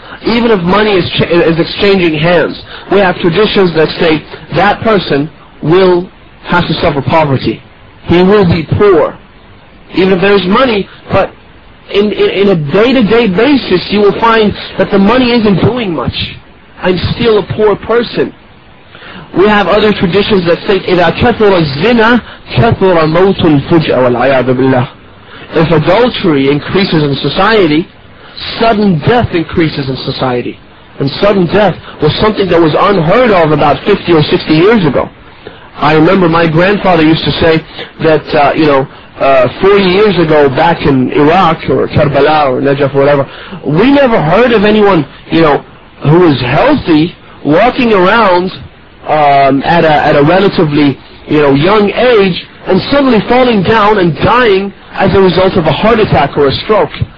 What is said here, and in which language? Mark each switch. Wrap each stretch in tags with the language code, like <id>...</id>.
<en>Even if money is exchanging hands, we have traditions that say that person will have to suffer poverty. He will be poor. Even if there's money, but in a day-to-day basis, you will find that the money isn't doing much. I'm still a poor person. We have other traditions that say,</en> <ar>إِذَا كَثُرَ الزِّنَا كَثُرَ مَوْتُ الْفُجْأَ وَالْعَيَادُ بِاللَّهِ.</ar> <en>If adultery increases in society, sudden death increases in society. And sudden death was something that was unheard of about 50 or 60 years ago. I remember my grandfather used to say that, 40 years ago back in Iraq or Karbala or Najaf or whatever, we never heard of anyone, who was healthy walking around at a relatively, young age and suddenly falling down and dying as a result of a heart attack or a stroke.</en>